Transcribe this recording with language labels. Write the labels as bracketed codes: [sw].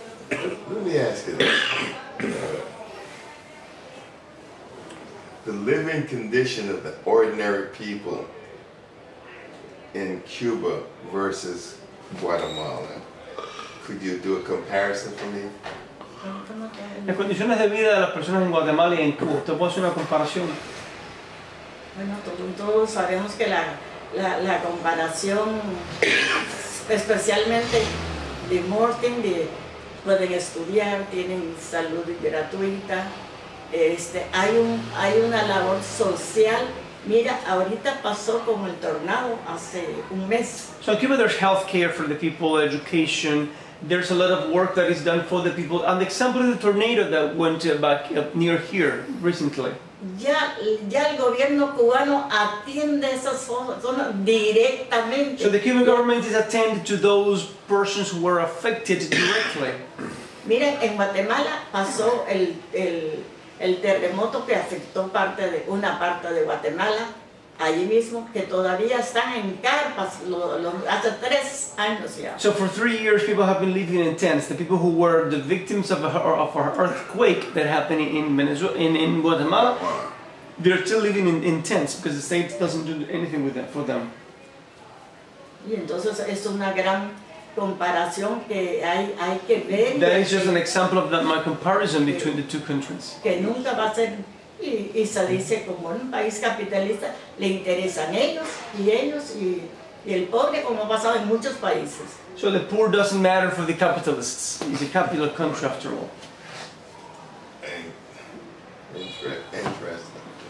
[en] Let me ask you this. The living condition of the ordinary people in Cuba versus Guatemala. Could you do a comparison for me? [es] Las condiciones de vida de las personas en Guatemala y en Cuba. ¿Te puedo hacer una comparación? Bueno, todos sabemos que la comparación, especialmente de Morten, pueden estudiar, tienen salud gratuita. Hay una labor social. Mira, ahorita pasó con el tornado hace un mes. [en] So in Cuba, there's health care for the people, education. There's a lot of work that is done for the people. And the example of the tornado that went back up near here recently. [es] Ya el gobierno cubano atiende esas zonas directamente. [en] So the Cuban government is attending to those persons who were affected directly. [es] Mira, en Guatemala pasó el terremoto que afectó una parte de Guatemala, allí mismo, que todavía están en carpas, hace 3 años ya. [en] So for 3 years people have been living in tents, the people who were the victims of an earthquake that happened in Venezuela, in Guatemala, they're still living in tents because the state doesn't do anything with them, for them. [es] Y entonces es una gran comparación que hay que ver. [en] That is just an example of my comparison between the two countries. [es] Que nunca va a ser Y se dice como en un país capitalista le interesan ellos y ellos y el pobre como ha pasado en muchos países. [en] So the poor doesn't matter for the capitalists. It's a capitalist country after all. Interesting.